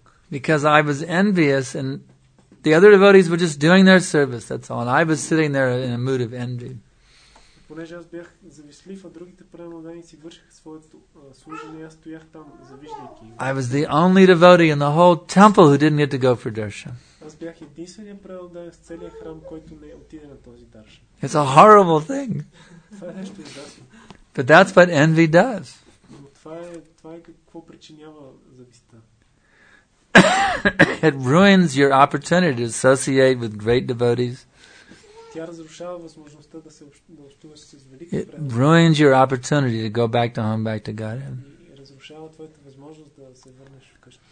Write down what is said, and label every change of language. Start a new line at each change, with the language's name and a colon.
English: Because I was envious and the other devotees were just doing their service, that's all. And I was sitting there in a mood of envy.
Bulgarian: Понеже аз бях завистлив, а другите преданодани си вършиха своето служение, аз стоях там завиждайки.
English: I was the only devotee in the whole temple who didn't get to go for darshan.
Bulgarian: Аз бях единственият преданодан в целия храм, който не отиде на този даршан.
English: It's a horrible thing.
Bulgarian: Това е нещо ужасно.
English: But that's what envy does.
Bulgarian: Това е какво причинява завистта.
English: It ruins your opportunity to associate with great devotees.
Bulgarian: Тя разрушава възможността да се общуваш с велики преданодани.
English: It ruins your opportunity to go back to home, back to Godhead.
Bulgarian: Разрушава твоята възможност да се върнеш вкъщи.